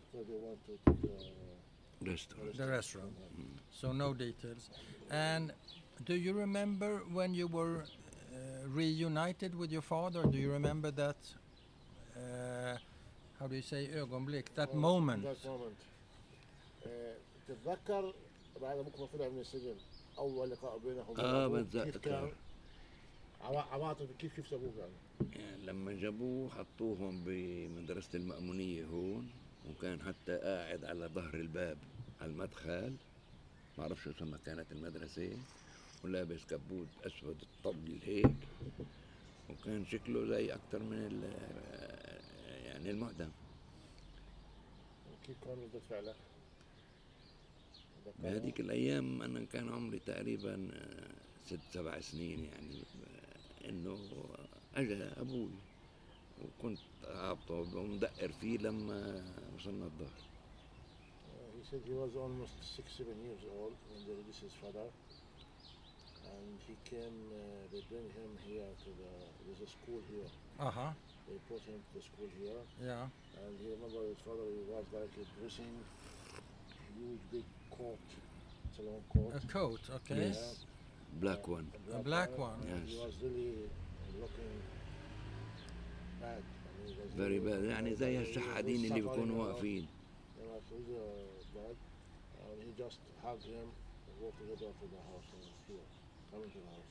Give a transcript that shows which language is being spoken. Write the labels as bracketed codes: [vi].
[en] So they want to take the restaurant. Mm. So no details. And do you remember when you were reunited with your father? Do you remember that, how do you say, ögonblick, that moment? That moment. [ar] تذكر بعد ما كنت طلع من السجن أول لقاء بينهم. عواطف كيف سبوك يعني. لما جابوه حطوهم بمدرسة المأمونية هون وكان حتى قاعد على ظهر الباب على المدخل ما عرف شو اسمها كانت المدرسة ولابس كبوت أسود الطبل هيك وكان شكله زي أكتر من يعني المعدم كيف كان ردت فعلك؟ بهذيك الأيام أنا كان عمري تقريبا 6-7 سنين يعني إنه أجا أبوي وكنت عابطه ومدقر فيه لما وصلنا الظهر. [en] He said he was almost 6-7 years old when they released his father and he came, they bring him here to the, there's a school here. Uh-huh. They put him to the school here. Yeah. And he remember his father, he was like a dressing, huge big coat, it's a long coat. A coat, okay. Yes. Black one. A black one. Yes. He was really looking bad. Very bad. [ar] يعني زي الشحادين اللي بيكونوا واقفين. [en] He was really bad. And he just hugged him and walked together to the house. And he was here, coming to the house.